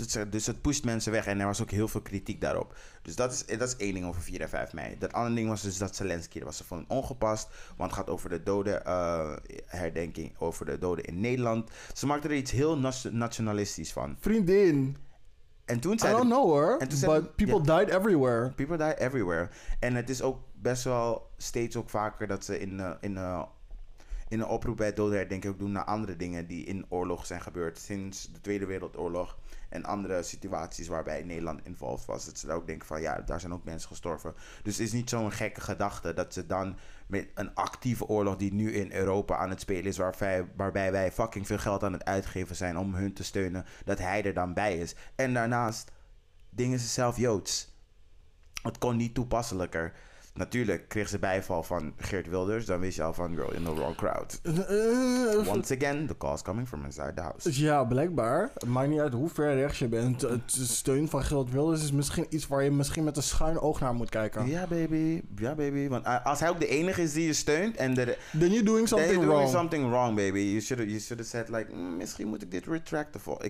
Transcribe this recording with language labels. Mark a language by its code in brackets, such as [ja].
[nl] Dus het pusht mensen weg en er was ook heel veel kritiek daarop. Dus dat is één ding over 4 en 5 mei. Dat andere ding was dus dat Zelensky was van ongepast. Want het gaat over de doden herdenking, over de doden in Nederland. Ze maakten er iets heel nationalistisch van. Vriendin. En toen zei [en] I don't know her, but zeiden, people yeah, died everywhere. People died everywhere. [nl] En het is ook best wel steeds ook vaker dat ze in een oproep bij het dodenherdenken ook doen naar andere dingen die in oorlog zijn gebeurd sinds de Tweede Wereldoorlog en andere situaties waarbij Nederland involved was. Dat ze daar ook denken van, ja, daar zijn ook mensen gestorven. Dus het is niet zo'n gekke gedachte dat ze dan met een actieve oorlog die nu in Europa aan het spelen is, waarbij wij fucking veel geld aan het uitgeven zijn om hun te steunen, dat hij er dan bij is. En daarnaast dingen ze zelf Joods. Het kon niet toepasselijker. Natuurlijk kreeg ze bijval van Geert Wilders. Dan wist je al van, girl, in the wrong crowd. [en] Once again, the call is coming from inside the house. [nl] Ja, blijkbaar. Maakt niet uit hoe ver rechts je bent. Het steun van Geert Wilders is misschien iets waar je misschien met een schuin oog naar moet kijken. Ja, baby. Want als hij ook de enige is die je steunt... [en] Then you're doing something wrong. Then you're doing something wrong, baby. You should have said, like, misschien moet ik dit retracten.